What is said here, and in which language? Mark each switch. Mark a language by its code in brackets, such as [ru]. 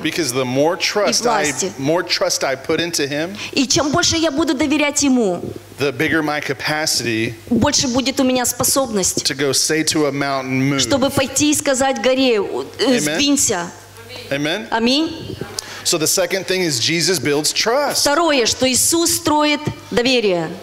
[en] Because the more trust I put into Him. [ru] И чем больше я буду доверять Ему. [en] The bigger my capacity. [ru] Больше будет у меня способность. [en] To go say to a mountain, move. [ru] Чтобы пойти и сказать горе, сдвинься. [en] Amen. [ru] Аминь. [en] So the second thing is Jesus builds trust. [ru] Второе, что Иисус строит доверие.